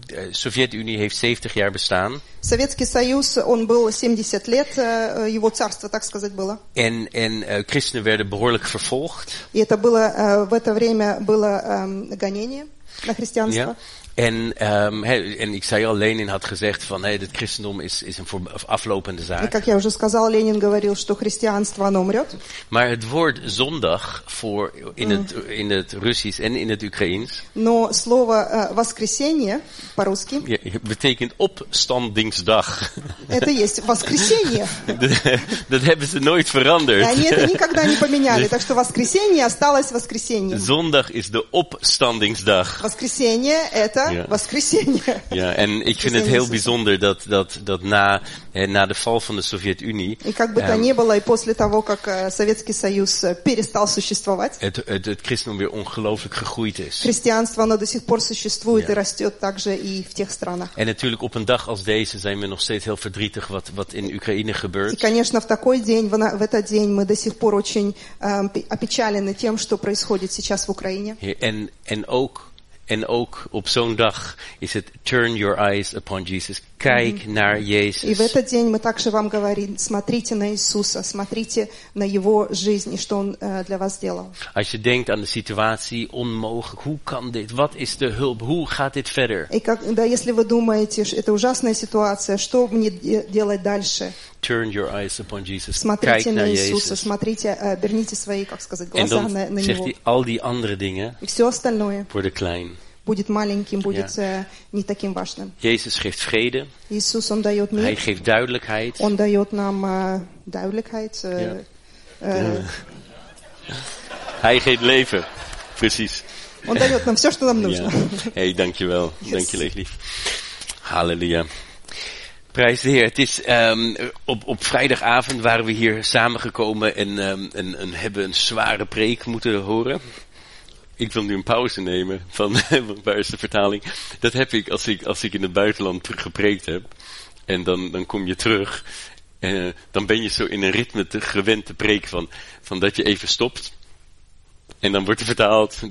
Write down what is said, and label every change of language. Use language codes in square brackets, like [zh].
[nl] Sovjet-Unie heeft 70 jaar bestaan. [ru] Советский Союз, он был 70 лет, его царство, так сказать, было. [nl] En christenen werden behoorlijk vervolgd. [ru] И это было, в это время было гонение на христианство. [nl] Ja. En ik zei al, Lenin had gezegd van, het christendom is een aflopende zaak. [ru] Как я уже сказал, Ленин говорил, что христианство, оно умрет. [nl] Maar het woord zondag voor in het Russisch en in het Oekraïens. [ru] Но слово воскресенье по-русски. [nl] Betekent opstandingsdag. [ru] Это есть воскресенье. [nl] Dat hebben ze nooit veranderd. [ru] Они это никогда не поменяли, так что воскресенье осталось воскресенье. [nl] Zondag is de opstandingsdag. [ru] Воскресенье это [nl] Ja, en ik vind het heel bijzonder dat na de val van de Sovjet-Unie. [ru] И как бы то ни было, и после того, как Советский Союз перестал существовать. [nl] Het christendom weer ongelooflijk gegroeid is. [ru] Христианство, оно до сих пор существует и растет также и в тех странах. [nl] En natuurlijk op een dag als deze zijn we nog steeds heel verdrietig wat in Oekraïne gebeurt. [ru] И, конечно, в такой день, в этот день мы до сих пор очень опечалены тем, что происходит сейчас в Украине. [nl] En ook En ook op zo'n dag is het [en] turn your eyes upon Jesus. [nl] Kijk naar Jezus. [ru] И в этот день мы также вам говорим: смотрите на Иисуса, смотрите на его жизнь, что он для вас сделал. [nl] Als je denkt aan de situatie, onmogelijk, hoe kan dit? Wat is de hulp? Hoe gaat dit verder? [ru] И когда если вы думаете, это ужасная ситуация, что мне делать дальше? [en] Turn your eyes upon Jesus. [ru] Смотрите [nl] Kijk [ru] на Иисуса, [en] Jesus. [ru] Смотрите, оберните свои, как сказать, глаза [nl] dan [ru] на него. [nl] Zegt hij, al die andere dingen. [ru] И все остальное. [nl] Worden klein. [ru] Будет маленьким, будет не таким важным. [nl] Jezus geeft vrede. [ru] Иисус, он дает мир. [nl] Hij geeft duidelijkheid. [ru] Он дает нам duidelijkheid. [nl] Hij geeft leven. Precies. [ru] Он дает нам все, что нам нужно. [nl] Hey, dankjewel. Yes. Dankjewel, lief. Halleluja. Prijs de Heer. Het is op vrijdagavond waren we hier samengekomen en hebben een zware preek moeten horen. Ik wil nu een pauze nemen van waar is de vertaling? Dat heb ik als ik in het buitenland gepreekt heb en dan kom je terug en dan ben je zo in een ritme te gewend te preken van dat je even stopt en dan wordt er vertaald.